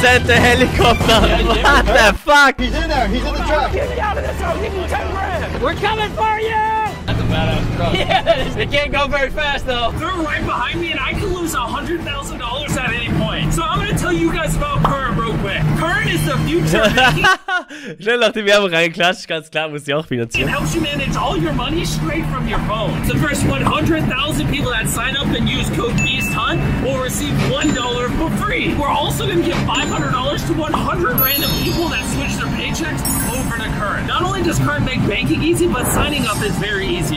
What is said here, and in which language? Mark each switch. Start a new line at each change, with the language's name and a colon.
English: Send the helicopter! Yeah, what the fuck? He's in there! He's in the truck! Get me out of this! I'll give you 10 grand! We're coming for you! That's a badass truck. Yeah, they can't go very fast though. They're right behind me and I can lose $100,000 at any point. So I'm gonna tell you guys about Current real quick. Current is the future.
German: Schnell noch die Werbung reinklatscht, ganz klar, muss ich auch finanzieren.
English: It helps you manage all your money straight from your phone. The first 100,000 people that sign up and use code BEASTHUNT will receive $1 for free. We're also going to give $500 to 100 random people that switch their paychecks over to Current. Not only does Current make banking easy, but signing up is very easy.